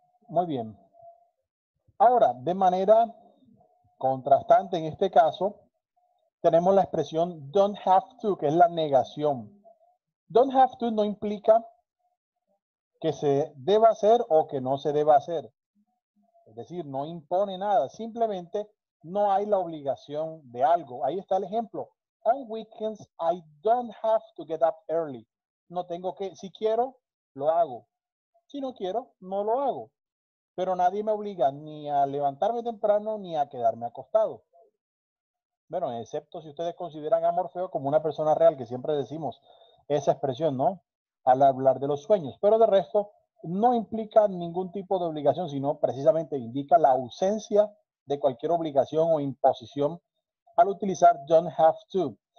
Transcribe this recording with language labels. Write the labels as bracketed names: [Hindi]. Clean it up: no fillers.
[Spanish] Muy bien. Ahora, de manera contrastante en este caso, tenemos la expresión don't have to, que es la negación. Don't have to no implica que se deba hacer o que no se deba hacer. Es decir, no impone nada. Simplemente no hay la obligación de algo. Ahí está el ejemplo. [English] On weekends, I don't have to get up early. [Spanish] No tengo que. Si quiero, lo hago. Si no quiero, no lo hago. Pero nadie me obliga ni a levantarme temprano ni a quedarme acostado. Bueno, excepto si ustedes consideran a Morfeo como una persona real, que siempre decimos esa expresión, ¿no? Al hablar de los sueños. Pero de resto, no implica ningún tipo de obligación, sino precisamente indica la ausencia de cualquier obligación o imposición al utilizar don't have to.